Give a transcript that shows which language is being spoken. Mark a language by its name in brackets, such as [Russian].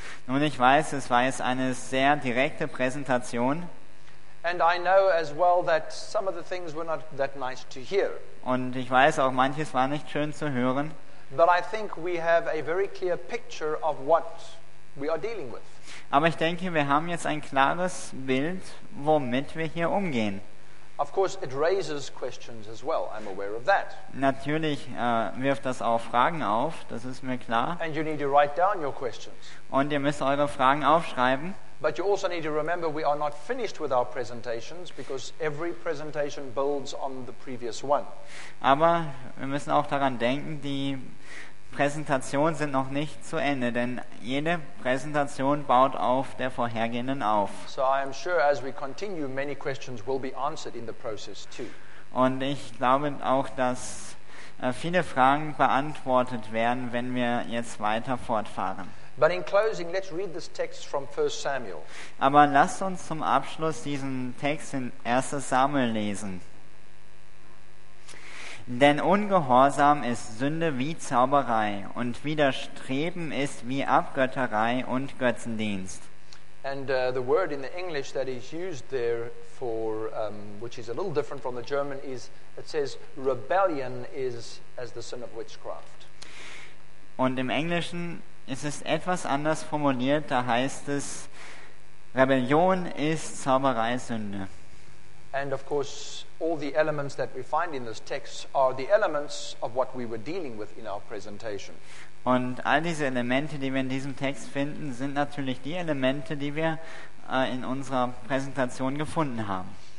[German] Nun, ich weiß, es war jetzt eine sehr direkte Präsentation. [English] And I know as well that some of the things were not that nice to hear. [German] Und ich weiß auch, manches war nicht schön zu hören. [English] But I think we have a very clear picture of what we are dealing with. [German] Aber ich denke, wir haben jetzt ein klares Bild, womit wir hier umgehen. [English] Of course, it raises questions as well. I'm aware of that. [German] Natürlich wirft das auch Fragen auf. Das ist mir klar. [English] And you need to write down your questions. [German] Und ihr müsst eure Fragen aufschreiben. [English] But you also need to remember we are not finished with our presentations because every presentation builds on the previous one. [German] Aber wir müssen auch daran denken, die Präsentationen sind noch nicht zu Ende, denn jede Präsentation baut auf der vorhergehenden auf. [English] So I am sure as we continue many questions will be answered in the process too. [German] Und ich glaube auch, dass viele Fragen beantwortet werden, wenn wir jetzt weiter fortfahren. [English] But in closing, let's read this text from 1 Samuel. [German] Aber lasst uns zum Abschluss diesen Text in 1. Samuel lesen. Denn Ungehorsam ist Sünde wie Zauberei und Widerstreben ist wie Abgötterei und Götzendienst. [English] And the word in the English that is used there for which is a little different from the German is it says rebellion is as the sin of witchcraft. [German] Und im Englischen ist es etwas anders formuliert, da heißt es Rebellion ist Zauberei Sünde. [English] And of course all the elements that we find in this text are the elements of what we were dealing with in our presentation. [German] Und all diese Elemente, die wir in diesem Text finden, sind natürlich die Elemente, die wir in unserer Präsentation gefunden haben.